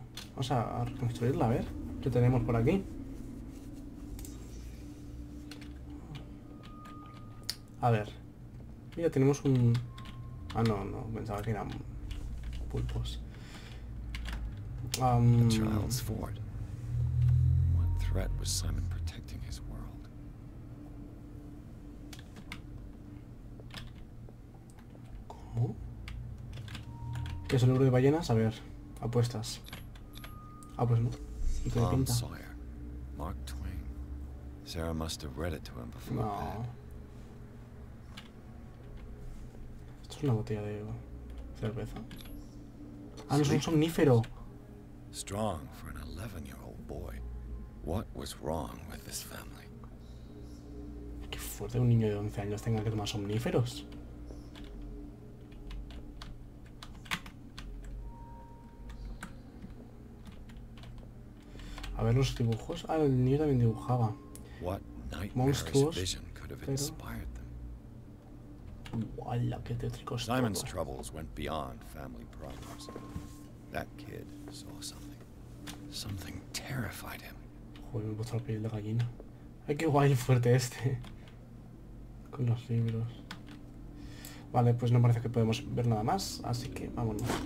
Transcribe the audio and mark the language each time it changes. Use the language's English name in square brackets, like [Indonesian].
[Spanish] Vamos a reconstruirla, a ver. ¿Qué tenemos por aquí? A ver. Mira, tenemos un... Ah, no, no, pensaba que eran pulpos. [English] Charles Ford. What threat was Simon protecting his world? [Spanish] ¿Cómo? ¿Qué es el número de ballenas? A ver, apuestas. Ah, pues no. [English] Tom Sawyer. Mark Twain. Sarah must have read it to him before. [Spanish] No. Una botella de cerveza. Ah, no, es un somnífero. [English] Strong for an 11-year-old boy. What was wrong with this family? [Spanish] Qué fuerte un niño de 11 años tenga que tomar somníferos. A ver los dibujos. Ah, el niño también dibujaba. [English] What nightmarish vision could have inspired them? [Spanish] Uala, qué tétrico. [English] Simon's troubles went beyond family problems. That kid saw something. Something terrified him. [Spanish] Joder, me puso la piel de gallina. Ay, qué guay y fuerte este. Con los libros. Vale, pues no parece que podemos ver nada más, así que vámonos.